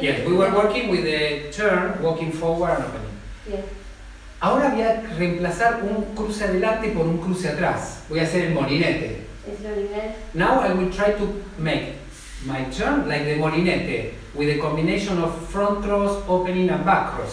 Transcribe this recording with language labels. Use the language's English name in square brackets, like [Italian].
[English] Yes, we were working with the turn, walking forward and opening. Yes. [Spanish] Ahora voy a reemplazar un cruce adelante por un cruce atrás. Voy a hacer el molinete. [English] Now I will try to make my turn, like the molinete, with a combination of front cross, opening, and back cross.